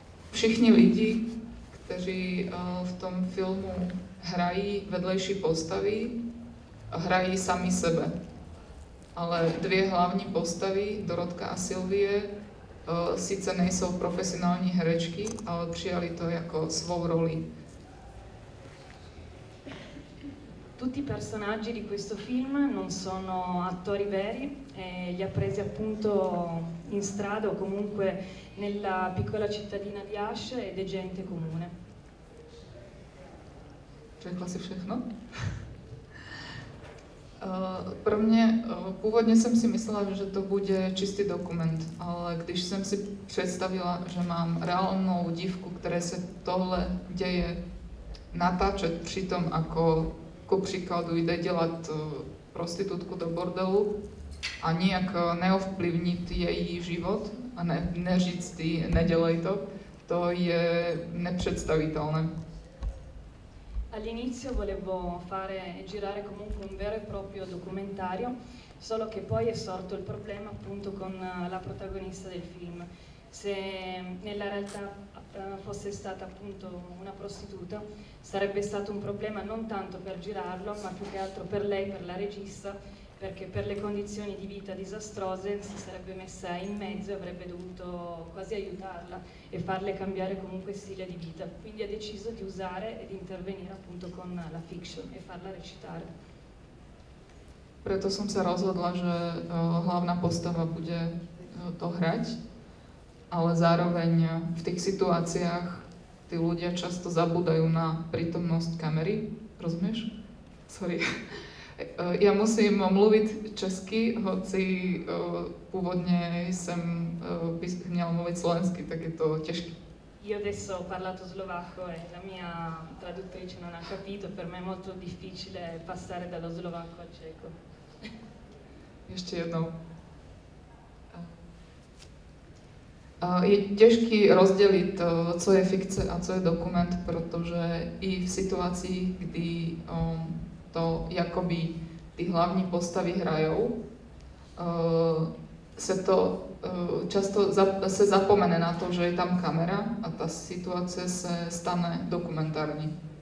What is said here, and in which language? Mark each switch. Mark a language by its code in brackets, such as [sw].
[cs] Všichni lidi, kteří v tom filmu hrají vedlejší postavy, hrají sami sebe. Ale dvě hlavní postavy, Dorotka a Sylvie, sice nejsou profesionální herečky, ale přijali to jako svou roli. [it] Tutti i personaggi di questo film non sono attori veri, li ha presi appunto in strada o comunque nella piccola cittadina di Asch ed è gente comune. [cs] Řekla si všechno? Pro mě původně jsem si myslela, že to bude čistý dokument, ale když jsem si představila, že mám reálnou dívku, které se tohle děje natáčet při tom, jako ku příkladu jde dělat prostitutku do bordelu a nijak neovplyvnit její život a neříct jí, nedělej to, to je nepředstavitelné. [it] All'inizio volevo fare girare comunque un vero e proprio documentario, solo che poi è sorto il problema appunto con la protagonista del film. Se nella realtà fosse stata appunto una prostituta, sarebbe stato un problema non tanto per girarlo, ma più che altro per lei, per la regista, perché per le condizioni di vita disastrose si sarebbe messa in mezzo e avrebbe dovuto quasi aiutarla e farle cambiare comunque stile di vita. Quindi ha deciso di usare e di intervenire appunto con la fiction e farla recitare. [sk] Preto som sa rozhodla, že hlavná postava bude to hrať, ale zároveň v tých situáciách tí ľudia často zabúdajú na prítomnosť kamery. Rozumieš? Sorry. Ja musím mluviť česky, hoci pôvodne som měla mluviť slovensky, tak je to ťažké. [it] Io adesso ho parlato slovacco e la mia traduttrice non ha capito, per me è molto difficile passare dallo slovacco al ceco. [sk] Ešte jednou. [cs] Je ťažké rozdeliť, co je fikce a co je dokument, pretože i v situácii, kdy to jakoby ty hlavní postavy hrajou, se to často se zapomene na to, že je tam kamera a ta situace se stane dokumentární.